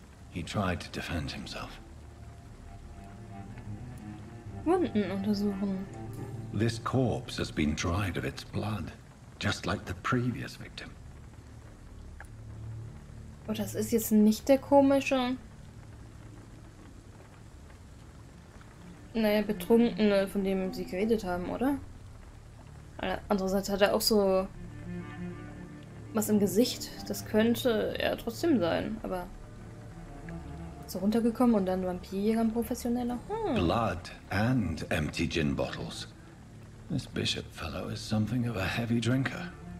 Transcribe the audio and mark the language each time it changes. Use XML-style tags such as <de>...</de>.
<en>He tried to defend himself.</en> <de>Wunden untersuchen.</de> <en>This corpse has been dried of its blood, just like the previous victim.</en> <de>Oh, das ist jetzt nicht der komische. Naja, Betrunkene, von dem sie geredet haben, oder? Andererseits hat er auch so was im Gesicht. Das könnte er trotzdem sein, aber so runtergekommen und dann Vampirjäger und professioneller.</de> <en>Blood and empty gin bottles. This Bishop fellow is something of a heavy drinker.</en>